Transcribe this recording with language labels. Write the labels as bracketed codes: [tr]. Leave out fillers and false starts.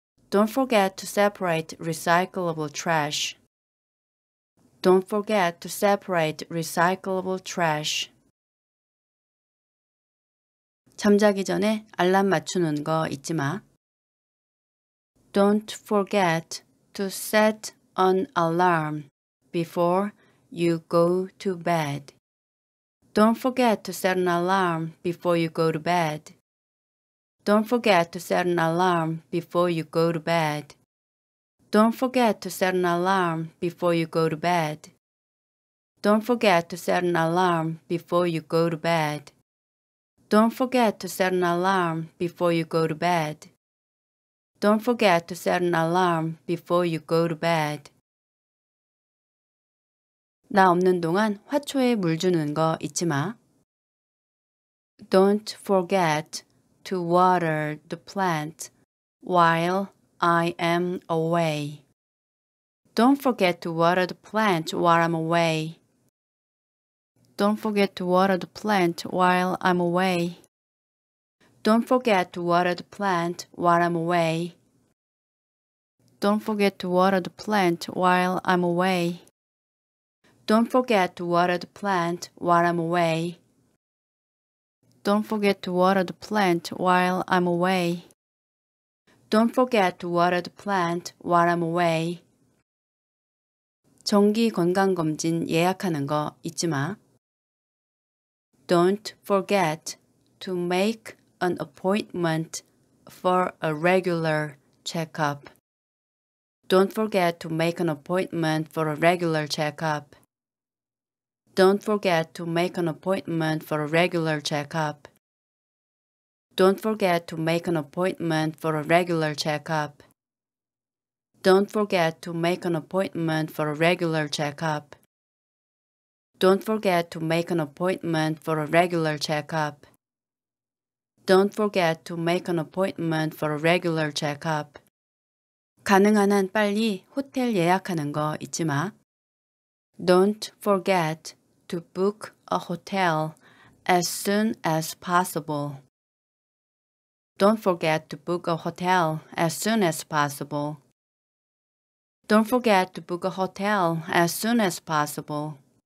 [en] Don't forget to separate recyclable trash. Don't forget to separate recyclable trash. [ko] 잠자기 전에 알람 맞추는 거 잊지 마. [en] Don't forget to set an alarm before you go to bed. Don't forget to set an alarm before you go to bed. Don't forget to set an alarm before you go to bed. Don't forget to set an alarm before you go to bed. Don't forget to set an alarm before you go to bed. Don't forget to set an alarm before you go to bed. Don't forget to set an alarm before you go to bed. [ko] 나 없는 동안 화초에 물 주는 거 잊지 마. [en] Don't forget to water the plant while I am away. Don't forget to water the plant while I'm away. Don't forget to water the plant while I'm away. Don't forget to water the plant while I'm away. Don't forget to water the plant while I'm away. Don't forget to water the plant while I'm away. Don't forget to water the plant while I'm away. Don't forget to water the plant while I'm away. [ko] 정기 건강검진 예약하는 거 잊지 마. [en] Don't forget to make an appointment for a regular checkup. Don't forget to make an appointment for a regular checkup. Don't forget to make an appointment for a regular checkup. Don't forget to make an appointment for a regular checkup. Don't forget to make an appointment for a regular checkup. Don't forget to make an appointment for a regular checkup. Don't forget to make an appointment for a regular checkup. [ko] 가능한 한 빨리 호텔 예약하는 거 잊지 마. [en] Don't forget to book a hotel as soon as possible. Don't forget to book a hotel as soon as possible. Don't forget to book a hotel as soon as possible.